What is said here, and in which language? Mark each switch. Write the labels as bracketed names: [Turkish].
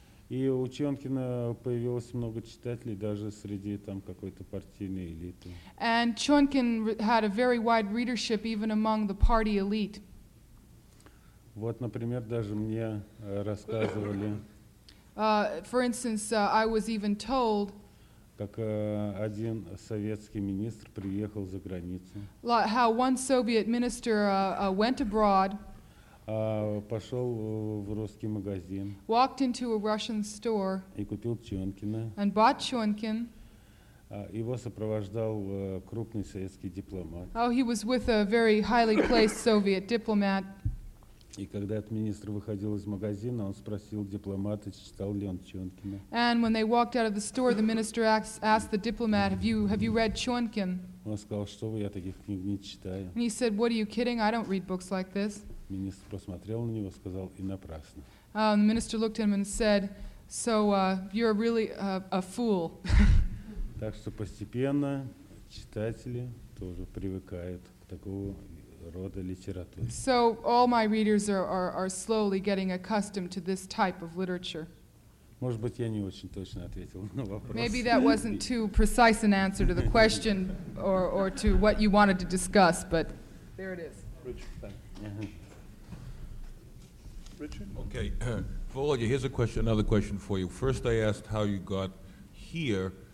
[Russian] И у Чонкина появилось много читателей, даже среди там какой-то партийной элиты. [English] And Chonkin had a very wide readership even among the party elite. [Russian] Вот, например, даже мне рассказывали. [English] For instance, I was even told. [Russian] Как один советский министр приехал за границу. [English] How one Soviet minister went abroad. [Russian] Пошел в русский магазин. [English] Walked into a Russian store. [Russian] И купил Чонкина. [English] And bought Chonkin. [Russian] Его сопровождал крупный советский дипломат. [English] Oh, he was with a very highly placed Soviet diplomat. [Russian] И когда этот министр выходил из магазина, он спросил дипломата, читал ли он Чонкина. [English] And when they walked out of the store, the minister asked the diplomat, have you read Chonkin? [Russian] Он сказал, что вы, я таких книг не читаю. [English] And he said, what are you kidding? I don't read books like this. [Russian] Министр посмотрел на него, сказал, и напрасно. [English] The minister looked at him and said, so you're really a fool. [Russian] Так что постепенно читатели тоже привыкают к такого рода литературе. [English] So all my readers are slowly getting accustomed to this type of literature. [Russian] Может быть, я не очень точно ответил на вопрос. [English] Maybe that wasn't too precise an answer to the question or to what you wanted to discuss, but there it is. Richard? Okay, Volodya, here's another question for you. First, I asked how you got here.